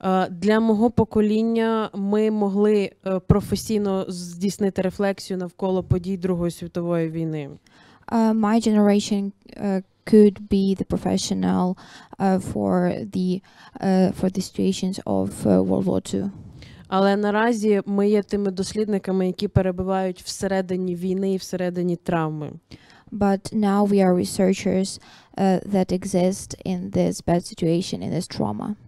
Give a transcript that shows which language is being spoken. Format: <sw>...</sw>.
<uk>Для мого покоління ми могли професійно здійснити рефлексію навколо подій Другої світової війни.</uk> <en>My generation could be the professional for the situations of World War II.</en> <uk>Але наразі ми є тими дослідниками, які перебувають всередині війни і всередині травми.</uk> <en>But now we are researchers that exist in this bad situation, in this trauma.</en>